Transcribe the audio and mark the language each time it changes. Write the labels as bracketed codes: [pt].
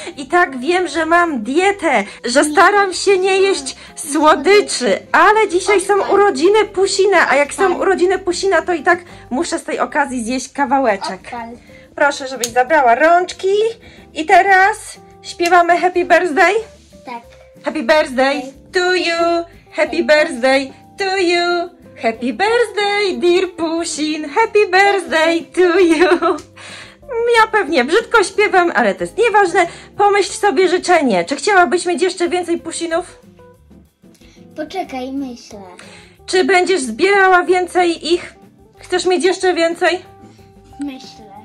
[pl] I tak wiem, że mam dietę, że staram się nie jeść słodyczy, ale dzisiaj są urodziny pusina, a jak są urodziny pusina, to i tak muszę z tej okazji zjeść kawałeczek. Proszę, żebyś zabrała rączki i teraz śpiewamy Happy Birthday? Tak. [en] Happy Birthday to you, Happy Birthday to you, Happy Birthday dear Pusin, Happy Birthday to you. [pl] Ja pewnie brzydko śpiewam, ale to jest nieważne. Pomyśl sobie życzenie. Czy chciałabyś mieć jeszcze więcej pusinów? Poczekaj, myślę. Czy będziesz zbierała więcej ich? Chcesz mieć jeszcze więcej? Myślę.